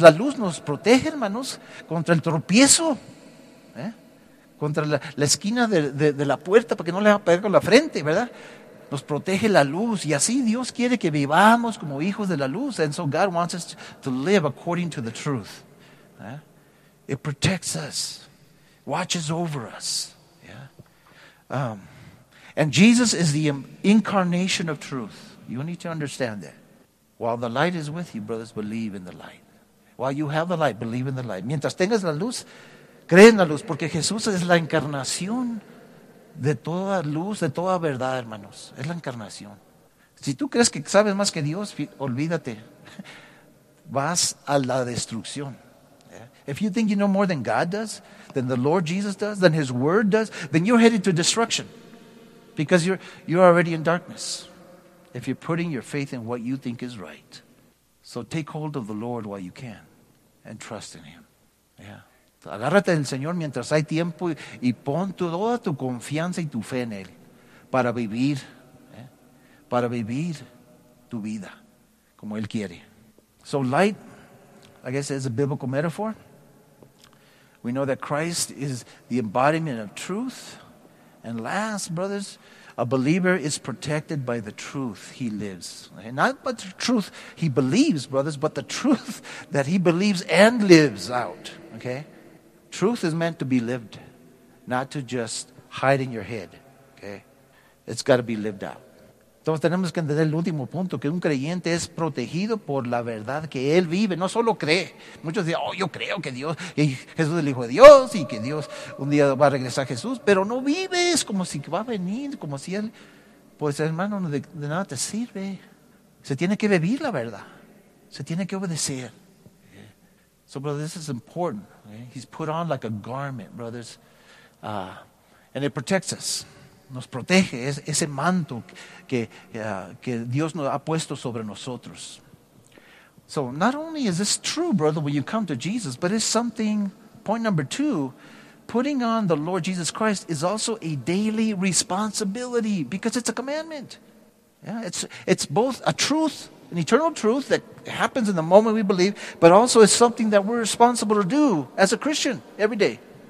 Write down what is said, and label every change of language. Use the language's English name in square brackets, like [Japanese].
[Spanish] La luz nos protege, hermanos, contra el tropiezo, ¿eh? Contra la esquina de la puerta para que no le va a pegar con la frente, ¿verdad? Nos protege la luz. Y así Dios quiere que vivamos como hijos de la luz. [English] And so God wants us to live according to the truth. Yeah? It protects us. Watches over us. Yeah? And Jesus is the incarnation of truth. You need to understand that. While the light is with you, brothers, believe in the light. While you have the light, believe in the light. [Spanish] Mientras tengas la luz, cree en la luz. Porque Jesús es la encarnación de toda luz, de toda verdad, hermanos. Es la encarnación. Si tú crees que sabes más que Dios, olvídate. Vas a la destrucción. [English] If you think you know more than God does, than the Lord Jesus does, than His Word does, then you're headed to destruction. Because you're already in darkness. If you're putting your faith in what you think is right. So take hold of the Lord while you can. And trust in Him. Yeah. [Spanish] Agárrate del Señor mientras hay tiempo y pon toda tu confianza y tu fe en Él para vivir, ¿eh? Para vivir tu vida como Él quiere. [English] So light, I guess, is a biblical metaphor. We know that Christ is the embodiment of truth. And last, brothers, a believer is protected by the truth he lives. Not but the truth he believes, brothers, but the truth that he believes and lives out. Okay? Truth is meant to be lived, not to just hide in your head. Okay? It's got to be lived out. [Spanish] Entonces tenemos que entender el último punto, que un creyente es protegido por la verdad que él vive, no solo cree. Muchos dicen, yo creo que Dios, y Jesús es el Hijo de Dios, y que Dios un día va a regresar a Jesús, pero no vives como si va a venir, como si él, pues hermano, de nada te sirve. Se tiene que vivir la verdad, se tiene que obedecer. [English] So, brother, this is important. He's put on like a garment, brothers. And it protects us. [Spanish] Nos protege. Es ese manto que Dios nos ha puesto sobre nosotros. [English] So, not only is this true, brother, when you come to Jesus, but it's something, point number two, putting on the Lord Jesus Christ is also a daily responsibility because it's a commandment. Yeah, it's both a truth, an eternal truth that happens in the moment we believe, but also it's something that we're responsible to do as a Christian every day.